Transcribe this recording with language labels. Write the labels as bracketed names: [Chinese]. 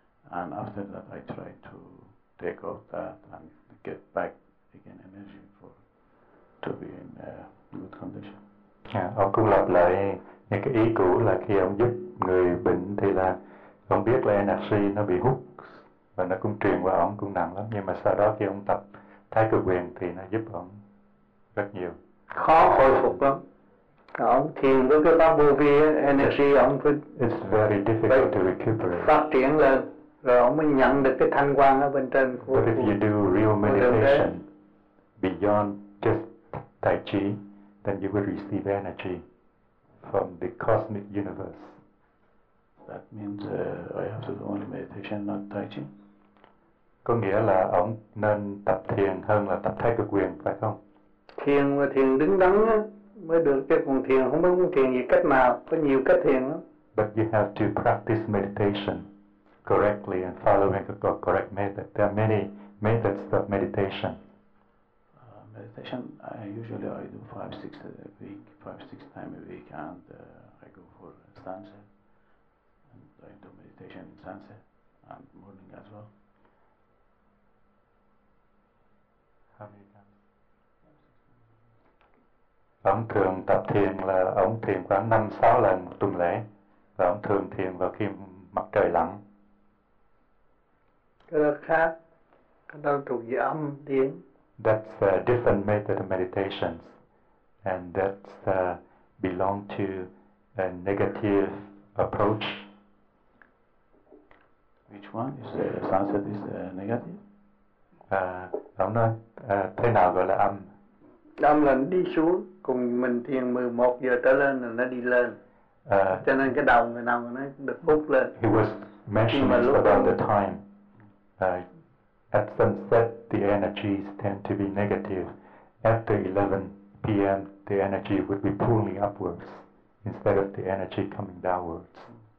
[English] And after that, I try to take off that and get back again energy for to be in good condition. [Vietnamese] Yeah, ông cũng lặp lại những cái ý cũ là khi ông giúp người bệnh thì là ông biết là energy nó bị hút và nó cũng truyền qua ông cũng nặng lắm. Nhưng mà sau đó khi ông tập thái cực quyền thì nó giúp ông rất nhiều. Khó hồi phục lắm. Ông thiền với cái pháp vô vi energy ông phải [English] It's very difficult to recuperate. [Vietnamese] Phát triển lên. Rồi ông mới nhận được cái thanh quang ở bên trên của [English] But if you do real meditation beyond just Tai Chi, then you will receive energy from the cosmic universe. That means I have to do only meditation, not Tai Chi? [Vietnamese] Có nghĩa là ông nên tập thiền hơn là tập thái cực quyền, phải không? Thiền mà thiền đứng đắn á, mới được cái phần thiền, không biết phần thiền gì cách nào, có nhiều cách thiền lắm. [English] But you have to practice meditation correctly and following the correct method. There are many methods of meditation. Meditation, usually I do 5-6 a week, 5-6 times a week, and I go for sansa. And I do meditation in sansa, and morning as well. How many times? [Vietnamese] Ông thường tập thiền là ông thiền khoảng 5-6 lần một tuần lễ, và ông thường thiền vào khi mặt trời lặn. Cái đó khác, cái đó thuộc về âm tiếng. [English] That's a different method of meditation, and that belong to a negative approach. Which one? Is the sunset is negative? [Vietnamese] Ông nói, thế nào gọi là âm? Âm là nó đi xuống, cùng mình thiền 11 giờ trở lên là nó đi lên. Cho nên cái đầu người nào nó được bút lên. [English] He was mentioning about the time. At sunset, the energies tend to be negative. After 11 p.m., the energy would be pulling upwards instead of the energy coming downwards.